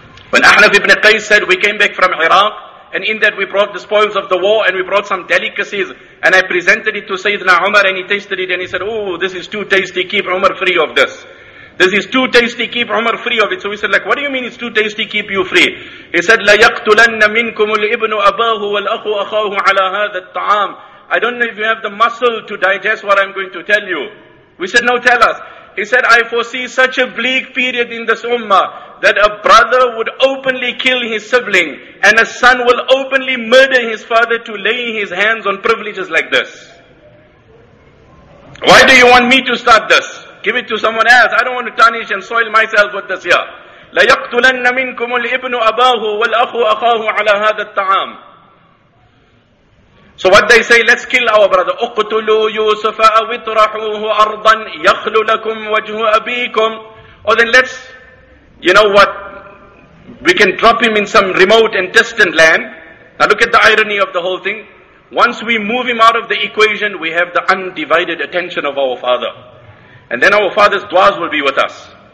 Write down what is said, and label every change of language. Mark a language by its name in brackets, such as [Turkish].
[English] When Ahnaf ibn Qays said, we came back from Iraq, and in that we brought the spoils of the war and we brought some delicacies, and I presented it to Sayyidina Umar and he tasted it and he said, oh, this is too tasty, keep Umar free of this. This is too tasty, keep Umar free of it. So we said, like, what do you mean it's too tasty, keep you free? He said, [Arabic] لَيَقْتُلَنَّ مِنْكُمُ الْإِبْنُ أَبَاهُ وَالْأَخُ أَخَاهُ عَلَى هَذَا الطَّعَامُ. [English] I don't know if you have the muscle to digest what I'm going to tell you. We said, no, tell us. He said, I foresee such a bleak period in this ummah that a brother would openly kill his sibling and a son will openly murder his father to lay his hands on privileges like this. Why do you want me to start this? Give it to someone else. I don't want to tarnish and soil myself with this here. [Arabic] لَيَقْتُلَنَّ مِنْكُمُ الْإِبْنُ أَبَاهُ وَالْأَخُ أَخَاهُ عَلَى هَذَا الطَّعَامُ. [English] So what they say, let's kill our brother. [Arabic] اُقْتُلُوا يُوسُفَ أَوِطْرَحُوهُ أَرْضًا يَخْلُ لَكُمْ وَجْهُ أَبِيكُمْ. [English] Or then let's, you know what, we can drop him in some remote and distant land. Now look at the irony of the whole thing. Once we move him out of the equation, we have the undivided attention of our father. And then our father's du'as will be with us.